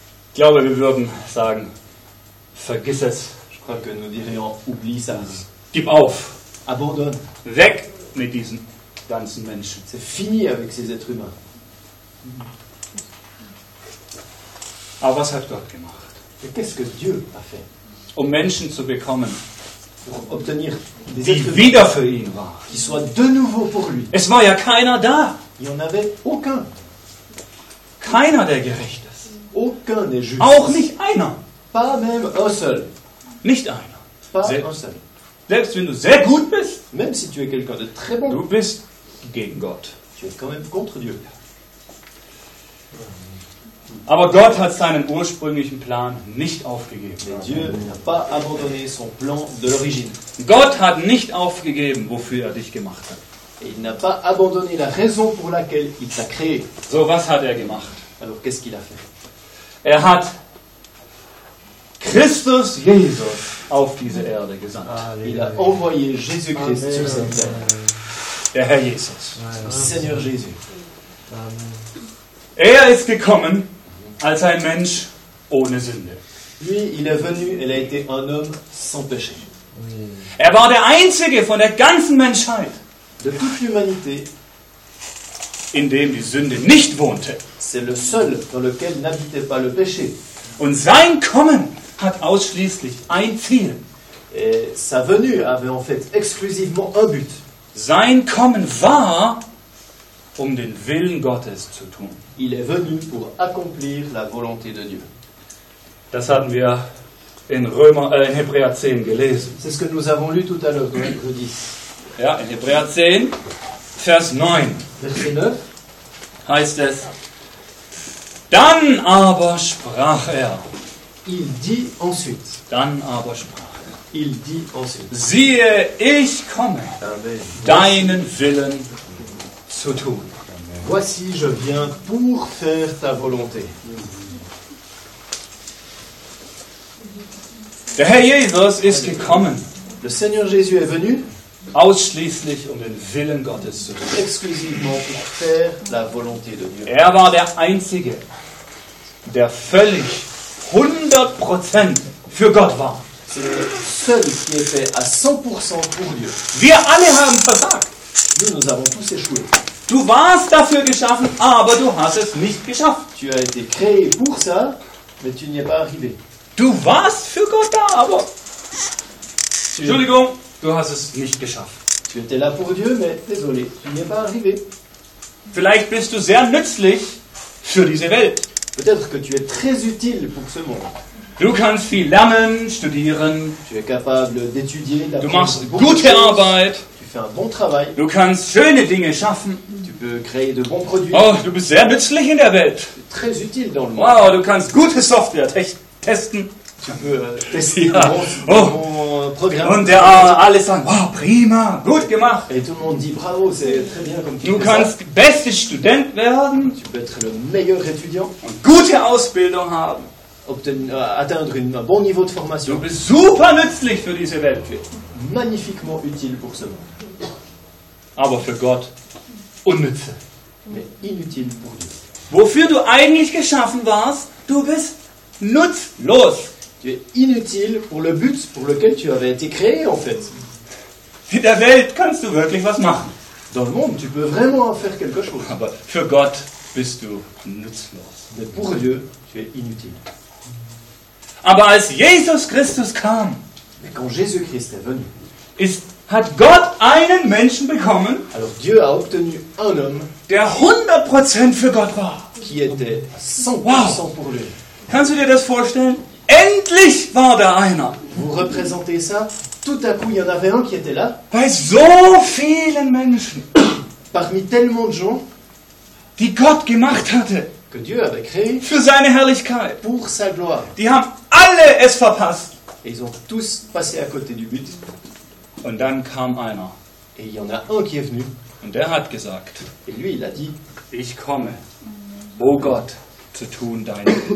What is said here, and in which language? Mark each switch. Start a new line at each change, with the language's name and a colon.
German: Ich glaube, wir würden sagen, vergiss es.
French: Je crois que nous dirions, oublie ça.
German: Gib auf.
French: Abandonne.
German: Weg mit diesen ganzen Menschen.
French: C'est fini avec ces êtres humains.
German: Aber was hat Gott gemacht?
French: Qu'est-ce que Dieu a fait?
German: Um Menschen zu bekommen,
French: pour obtenir des
German: die
French: êtres
German: wieder für ihn war.
French: Qui soient de nouveau pour lui.
German: Es war ja keiner da.
French: Il n'y en avait aucun.
German: Keiner, der gerecht ist.
French: Aucun n'est juste.
German: Auch nicht einer.
French: Pas même un seul.
German: Nicht einer.
French: Pas un seul.
German: Selbst wenn du sehr gut bist,
French: même si tu es quelqu'un de très bon,
German: du bist gegen Gott.
French: Tu es quand même contre Dieu.
German: Aber Gott hat seinen ursprünglichen Plan nicht aufgegeben.
French: Dieu n'a pas abandonné son plan de l'origine.
German: Gott hat nicht aufgegeben, wofür er dich gemacht hat.
French: Il n'a pas abandonné la raison pour laquelle il t'a créé.
German: So, was hat er gemacht?
French: Alors, qu'est-ce qu'il a fait?
German: Er hat Christus Jesus auf diese Erde gesandt.
French: Il a envoyé Jésus-Christ sur cette terre.
German: Der Herr Jesus.
French: Seigneur Jésus.
German: Amen. Er ist gekommen als ein Mensch ohne Sünde.
French: Lui, il est venu, il a été un homme sans péché. Oui.
German: Er war der einzige von der ganzen Menschheit,
French: de toute l'humanité,
German: in dem die Sünde nicht wohnte.
French: C'est le seul dans lequel n'habitait pas le péché.
German: Und sein Kommen hat ausschließlich ein Ziel.
French: Et sa venue avait en fait exclusivement un but.
German: Sein Kommen war, um den Willen Gottes zu tun.
French: Il est venu pour accomplir la volonté de Dieu.
German: Das hatten wir in Römer, in Hébreu 10 gelesen.
French: C'est ce que nous avons lu tout à l'heure, dans Hébreu 10.
German: Ja, in Hébreu 10, Vers 9. Vers 9 heißt es: Dann aber sprach er.
French: Il dit ensuite.
German: Dann aber sprach er.
French: Il dit ensuite.
German: Siehe, ich komme, deinen Willen zu tun.
French: Voici, je viens pour faire ta volonté.
German: Der Herr Jesus ist gekommen.
French: Le Seigneur Jésus est venu.
German: Ausschließlich um den Willen Gottes zu tun.
French: Exclusivement pour faire la volonté de Dieu.
German: Er war der Einzige, der völlig 100% für Gott war.
French: C'est le seul qui était à 100% pour Dieu.
German: Wir alle haben versagt.
French: Nous avons tous échoué.
German: Du warst dafür geschaffen, aber du hast es nicht geschafft.
French: Tu as été créé pour ça, mais tu n'y es pas arrivé.
German: Du warst für Gott da, aber... Entschuldigung, du hast es nicht geschafft.
French: Tu étais là pour Dieu, mais désolé, tu n'y es pas arrivé.
German: Vielleicht bist du sehr nützlich für diese Welt.
French: Peut-être que tu es très utile pour ce monde.
German: Du kannst viel lernen, studieren.
French: Tu es capable d'étudier,
German: du machst gute Arbeit.
French: Tu fais un bon travail.
German: Du kannst schöne Dinge schaffen.
French: Tu peux créer de bons produits.
German: Oh, du bist sehr nützlich in der Welt.
French: Tu es très utile dans le monde.
German: Wow, du kannst gute Software testen.
French: Tu peux tester ja. bon programme.
German: Und der alle sagen, wow, prima, gut gemacht.
French: Et tout le monde dit bravo, c'est très bien comme tu
German: Du kannst ça. Beste Student werden.
French: Tu peux être le meilleur étudiant.
German: Und gute Ausbildung haben.
French: Atteindre un bon niveau de formation.
German: Du bist super nützlich für diese Welt.
French: Magnifiquement utile pour ce monde.
German: Aber für Gott unnütze.
French: Mais inutile pour Dieu.
German: Wofür du eigentlich geschaffen warst, du bist nutzlos.
French: Tu es inutile pour le but pour lequel tu avais été créé, en fait.
German: In der Welt kannst du wirklich was machen.
French: Dans le monde, tu peux vraiment faire quelque chose.
German: Aber für Gott bist du nutzlos.
French: Mais pour Dieu, tu es inutile.
German: Aber als Jesus Christus kam,
French: mais quand Jésus Christ est venu,
German: hat Gott einen Menschen bekommen,
French: alors Dieu a obtenu un homme,
German: der 100% für Gott war.
French: Qui était 100% wow. pour lui.
German: Kannst du dir das vorstellen? Endlich war da einer.
French: Vous représentez ça? Tout à coup, il y en avait un qui était là.
German: Bei so vielen Menschen,
French: parmi tellement de gens,
German: die Gott gemacht hatte,
French: que Dieu avait créé,
German: für seine Herrlichkeit,
French: pour sa gloire.
German: Die haben alle es verpasst.
French: Et ils ont tous passé à côté du but.
German: Und dann kam einer.
French: Et il y en a un qui est venu.
German: Und der hat gesagt.
French: Et lui, il a dit,
German: ich komme, o Gott, zu tun deinen.